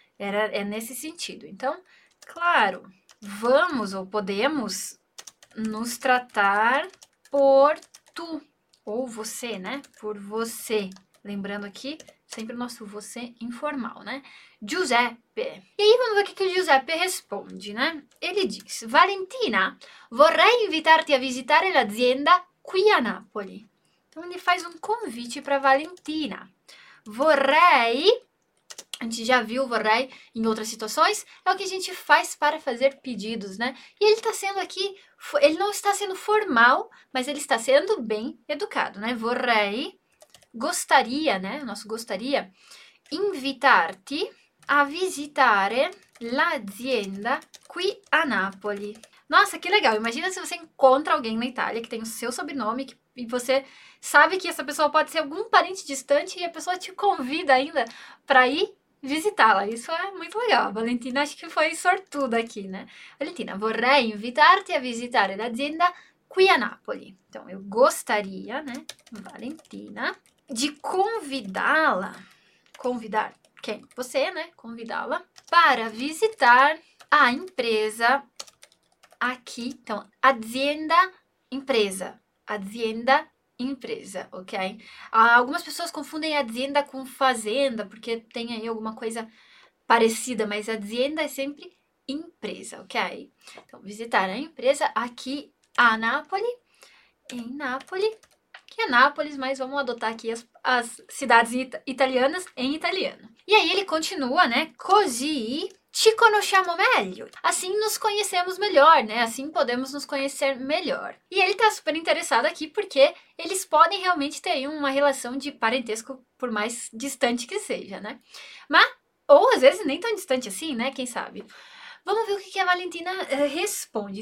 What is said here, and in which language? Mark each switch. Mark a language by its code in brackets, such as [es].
[pt] É nesse sentido. Então, claro, vamos ou podemos nos tratar por tu. Ou você, né? Por você. Lembrando aqui, sempre o nosso você informal, né? Giuseppe. E aí vamos ver o que o Giuseppe responde, né? Ele diz, [it] Valentina, vorrei invitarti a visitare l'azienda qui a Napoli. [pt] Então ele faz um convite para Valentina. Vorrei, a gente já viu vorrei em outras situações, é o que a gente faz para fazer pedidos, né? E ele está sendo aqui, ele não está sendo formal, mas ele está sendo bem educado, né? Vorrei, gostaria, né? Nosso gostaria, [it] invitarti a visitare l'azienda qui a Napoli. [pt] Nossa, que legal! Imagina se você encontra alguém na Itália que tem o seu sobrenome e você sabe que essa pessoa pode ser algum parente distante e a pessoa te convida ainda para ir visitá-la. Isso é muito legal. A Valentina acho que foi sortuda aqui, né? [it] Valentina, vorrei invitarti a visitare l'azienda qui a Napoli. [pt] Então, eu gostaria, né, Valentina, de convidá-la, convidar quem? Você, né? Convidá-la para visitar a empresa aqui. Então, azienda, empresa. Azienda, empresa, ok? Algumas pessoas confundem azienda com fazenda, porque tem aí alguma coisa parecida, mas azienda é sempre empresa, ok? Então, visitar a empresa aqui a Nápoles, em Nápoles. Que é Nápoles, mas vamos adotar aqui as cidades italianas em italiano. E aí ele continua, né? [it] Così ci conosciamo meglio. [pt] Assim nos conhecemos melhor, né? Assim podemos nos conhecer melhor. E ele tá super interessado aqui porque eles podem realmente ter aí uma relação de parentesco, por mais distante que seja, né? Mas, ou às vezes nem tão distante assim, né? Quem sabe? Vamos ver o que a Valentina responde.